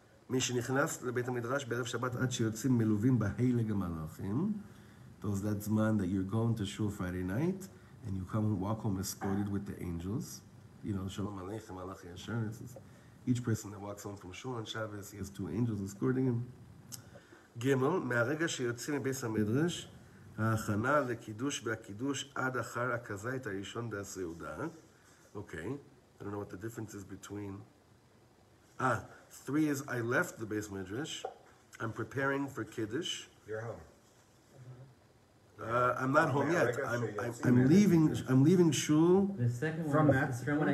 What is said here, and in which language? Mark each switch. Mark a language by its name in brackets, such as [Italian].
[Hebrew] מי שנכנס לבית המדרש בערב שבת עד שיוצאים מלווים בהילג המלאכים. [English] Those that zman that you're going to shul Friday night and you come and walk home escorted with the angels. You know, Shalom Aleichem, Malach Yashar. Each person that walks home from shul on Shabbos, he has two angels escorting him. [Hebrew] גימל, מהרגע שיוצאים מבית המדרש, ההכנה לקידוש והקידוש עד אחר הכזית הראשון בהסעודה. [English] Okay, I don't know what the difference is between... Three is I left the Beis Midrash. I'm preparing for Kiddush. You're home. I'm not home yet. I'm leaving Shul. The second one from that is from when I